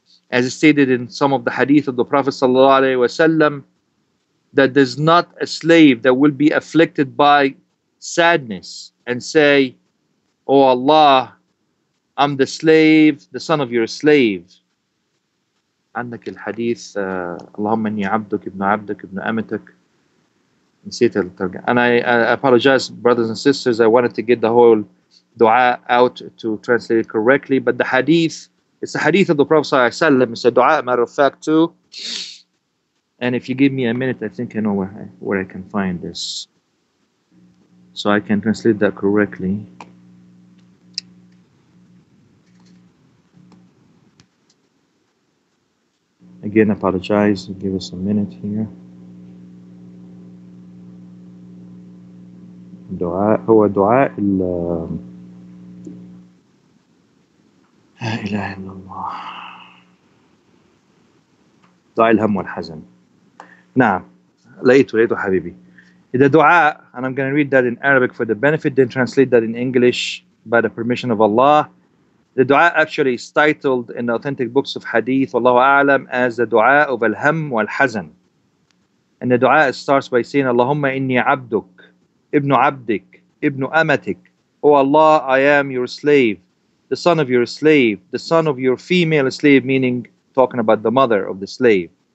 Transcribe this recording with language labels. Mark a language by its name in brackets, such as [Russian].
[English] As is stated in some of the hadith of the Prophet sallallahu alaihi wasallam, that there's not a slave that will be afflicted by sadness and say, oh Allah, I'm the slave, the son of your slave. [Arabic] عندك الحديث اللهم إني عبدك ابن عبدك ابن أمتك. [English] And I apologize, brothers and sisters, I wanted to get the whole dua out to translate it correctly, but the hadith, it's the hadith of the Prophet sallallahu alaihi wasallam. It's a dua, matter of fact, too. And if you give me a minute, I think I know where I can find this, so I can translate that correctly. Again, apologize, give us a minute here. [Arabic] دعاء هو دعاء لا إله إلا الله دعاء الهم والحزن. نعم لقيته حبيبي. [English] The دعاء, and I'm going to read that in Arabic for the benefit, then translate that in English by the permission of Allah. The دعاء actually is titled in the authentic books of Hadith, [Arabic] والله أعلم, [English] as the دعاء of [Arabic] الهم والحزن. [English] And the دعاء starts by saying, [Arabic] اللهم إني عبدك ibn abdik, ibn amatik, [English] O Allah, I am your slave, the son of your slave, the son of your female slave, meaning talking about the mother of the slave.